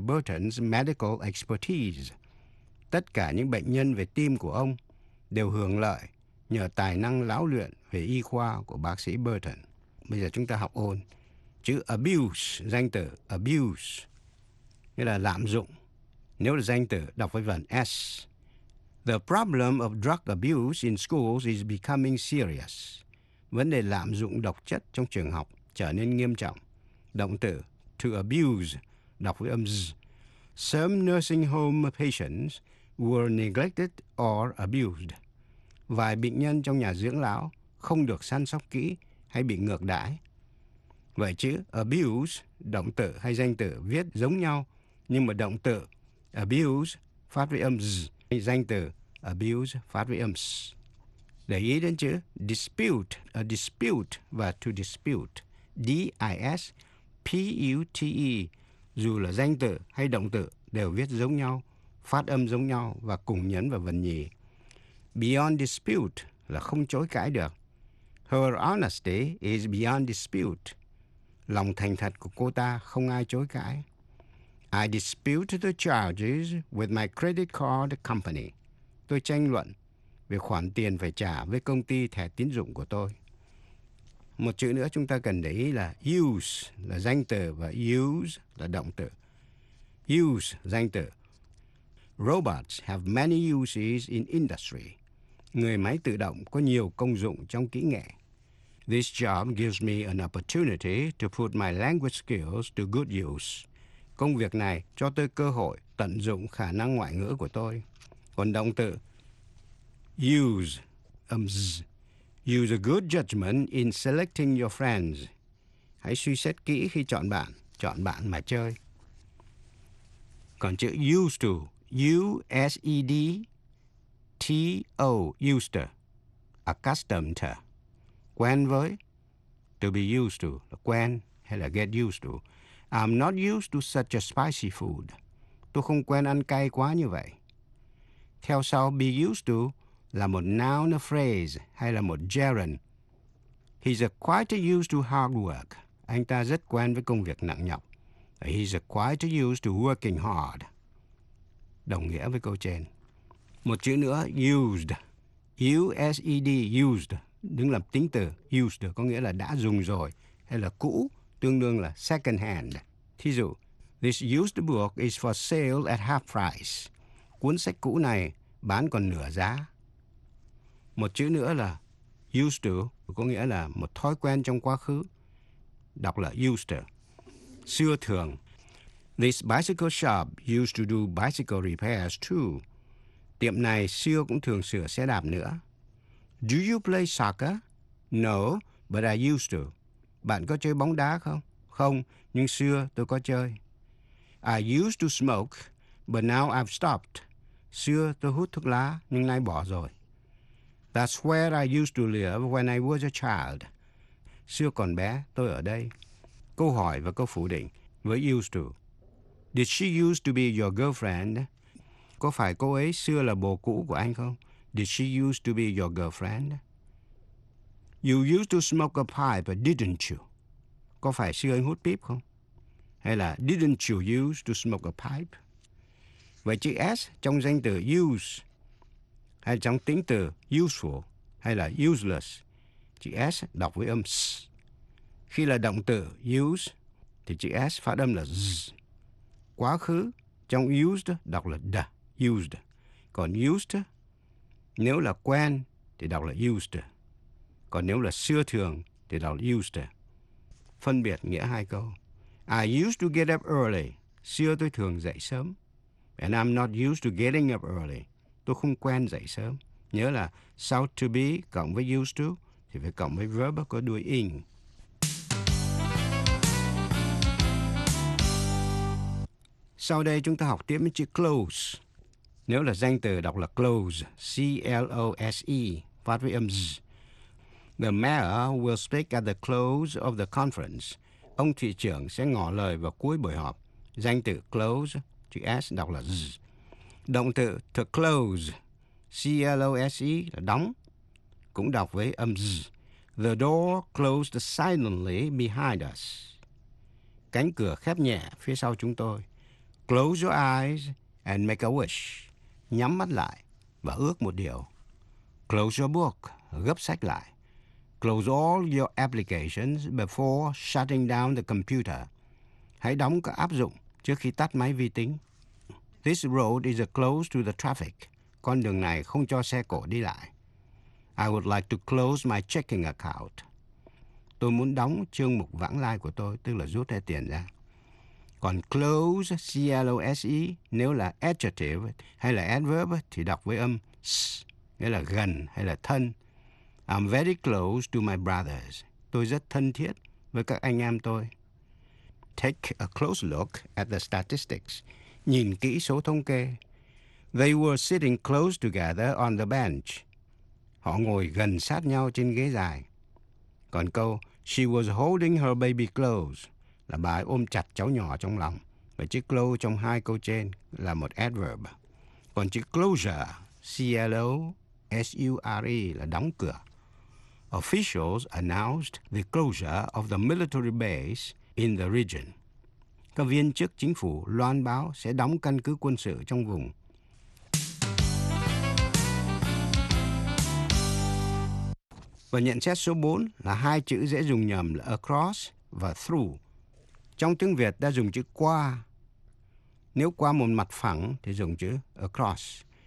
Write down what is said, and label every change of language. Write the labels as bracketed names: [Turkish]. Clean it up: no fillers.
[English] Burton's medical expertise. [Vietnamese] Tất cả những bệnh nhân về tim của ông đều hưởng lợi nhờ tài năng lão luyện về y khoa của bác sĩ Burton. Bây giờ chúng ta học ôn. Chữ abuse, danh từ abuse, nghĩa là lạm dụng. Nếu là danh từ, đọc với vần S. [English] The problem of drug abuse in schools is becoming serious. [Vietnamese] Vấn đề lạm dụng độc chất trong trường học trở nên nghiêm trọng. Động từ to abuse, đọc với âm Z. [English] Some nursing home patients were neglected or abused. [Vietnamese] Vài bệnh nhân trong nhà dưỡng lão không được săn sóc kỹ hay bị ngược đãi. Vậy chữ abuse, động từ hay danh từ viết giống nhau, nhưng mà động từ abuse phát với âm z, danh từ abuse phát với âm s. Để ý đến chữ dispute, a dispute và to dispute, D-I-S-P-U-T-E, dù là danh từ hay động từ đều viết giống nhau, phát âm giống nhau và cùng nhấn vào vần nhì. [English] Beyond dispute [Vietnamese] là không chối cãi được. [English] Her honesty is beyond dispute. [Vietnamese] Lòng thành thật của cô ta không ai chối cãi. [English] I dispute the charges with my credit card company. [Vietnamese] Tôi tranh luận về khoản tiền phải trả với công ty thẻ tín dụng của tôi. Một chữ nữa chúng ta cần để ý là use là danh từ và use là động từ. Use, danh từ. [English] Robots have many uses in industry. [Vietnamese] Người máy tự động có nhiều công dụng trong kỹ nghệ. [English] This job gives me an opportunity to put my language skills to good use. [Vietnamese] Công việc này cho tôi cơ hội tận dụng khả năng ngoại ngữ của tôi. Còn động từ use, z. [English] Use a good judgment in selecting your friends. [Vietnamese] Hãy suy xét kỹ khi chọn bạn mà chơi. Còn chữ used to, U-S-E-D-T-O, used to, accustomed to, quen với, to be used to, là quen hay là get used to. [English] I'm not used to such a spicy food. [Vietnamese] Tôi không quen ăn cay quá như vậy. Theo sau, be used to là một noun, a phrase, hay là một gerund. [English] He's a quite used to hard work. [Vietnamese] Anh ta rất quen với công việc nặng nhọc. [English] He's a quite used to working hard. [Vietnamese] Đồng nghĩa với câu trên. Một chữ nữa, used. U-S-E-D, used. Đứng làm tính từ, used có nghĩa là đã dùng rồi, hay là cũ, tương đương là second hand. Thí dụ, [English] this used book is for sale at half price. [Vietnamese] Cuốn sách cũ này bán còn nửa giá. Một chữ nữa là used to, có nghĩa là một thói quen trong quá khứ. Đọc là used to. Xưa thường. [English] This bicycle shop used to do bicycle repairs too. [Vietnamese] Tiệm này xưa cũng thường sửa xe đạp nữa. [English] Do you play soccer? No, but I used to. [Vietnamese] Bạn có chơi bóng đá không? Không, nhưng xưa tôi có chơi. [English] I used to smoke, but now I've stopped. [Vietnamese] Xưa tôi hút thuốc lá, nhưng nay bỏ rồi. [English] That's where I used to live when I was a child. [Vietnamese] Xưa còn bé, tôi ở đây. Câu hỏi và câu phủ định với used to. [English] Did she used to be your girlfriend? [Vietnamese] Có phải cô ấy xưa là bồ cũ của anh không? [English] Did she used to be your girlfriend? You used to smoke a pipe, didn't you? [Vietnamese] Có phải xưa anh hút pip không? Hay là [English] didn't you used to smoke a pipe? [Vietnamese] Vậy chữ S trong danh từ use hay trong tính từ useful hay là useless, chữ S đọc với âm s. Khi là động từ use thì chữ S phát âm là z. Quá khứ trong used đọc là d, used. Còn used nếu là quen thì đọc là used. Còn nếu là xưa thường thì đọc là used. Phân biệt nghĩa hai câu. [English] I used to get up early. [Vietnamese] Xưa tôi thường dậy sớm. [English] And I'm not used to getting up early. [Vietnamese] Tôi không quen dậy sớm. Nhớ là sau to be cộng với used to thì phải cộng với verb có đuôi in. Sau đây chúng ta học tiếp với chữ close. Nếu là danh từ đọc là close, C-L-O-S-E, phát với âm z. [English] The mayor will speak at the close of the conference. [Vietnamese] Ông thị trưởng sẽ ngỏ lời vào cuối buổi họp. Danh từ close, chữ S đọc là z. Động từ to close, C-L-O-S-E, là đóng, cũng đọc với âm z. [English] The door closed silently behind us. [Vietnamese] Cánh cửa khép nhẹ phía sau chúng tôi. [English] Close your eyes and make a wish. [Vietnamese] Nhắm mắt lại và ước một điều. [English] Close your book, [Vietnamese] gấp sách lại. [English] Close all your applications before shutting down the computer. [Vietnamese] Hãy đóng các áp dụng trước khi tắt máy vi tính. [English] This road is closed to the traffic. [Vietnamese] Con đường này không cho xe cộ đi lại. [English] I would like to close my checking account. [Vietnamese] Tôi muốn đóng chương mục vãng lai của tôi, tức là rút hết tiền ra. Còn close, C-L-O-S-E, nếu là adjective hay là adverb thì đọc với âm s, nghĩa là gần hay là thân. [English] I'm very close to my brothers. [Vietnamese] Tôi rất thân thiết với các anh em tôi. [English] Take a close look at the statistics. [Vietnamese] Nhìn kỹ số thống kê. [English] They were sitting close together on the bench. [Vietnamese] Họ ngồi gần sát nhau trên ghế dài. Còn câu, [English] she was holding her baby close, [Vietnamese] là bà ấy ôm chặt cháu nhỏ trong lòng. Và chữ close trong hai câu trên là một adverb. Còn chữ closure, C-L-O-S-U-R-E, là đóng cửa. [English] Officials announced the closure of the military base in the region. [Vietnamese] Các viên chức chính phủ loan báo sẽ đóng căn cứ quân sự trong vùng. Và nhận xét số 4 là hai chữ dễ dùng nhầm là across và through. Trong tiếng Việt ta dùng chữ qua. Nếu qua một mặt phẳng thì dùng chữ across.